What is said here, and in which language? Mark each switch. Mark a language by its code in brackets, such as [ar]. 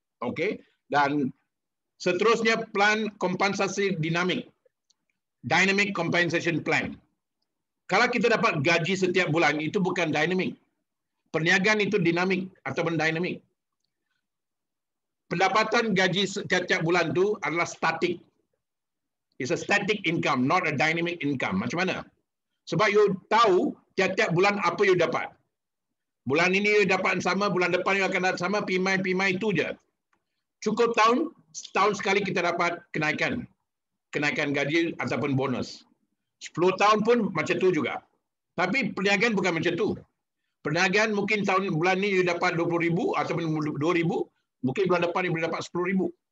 [ms] Okey, dan seterusnya plan kompensasi dinamik. [en] Dynamic Compensation Plan. [ms] Kalau kita dapat gaji setiap bulan, itu bukan dynamic. Perniagaan itu dinamik ataupun dynamic. Pendapatan gaji setiap bulan tu adalah static. [en] It's a static income, not a dynamic income. [ms] Macam mana? Sebab you tahu setiap bulan apa you dapat. Bulan ini you dapat sama, bulan depan you akan dapat sama, PMI-PMI itu je. Cukup tahun, setahun sekali kita dapat kenaikan. Kenaikan gaji ataupun bonus. 10 tahun pun macam tu juga. Tapi perniagaan bukan macam tu. Perniagaan mungkin tahun bulan ni you dapat 20,000 ataupun 2,000, mungkin bulan depan you boleh dapat 10,000.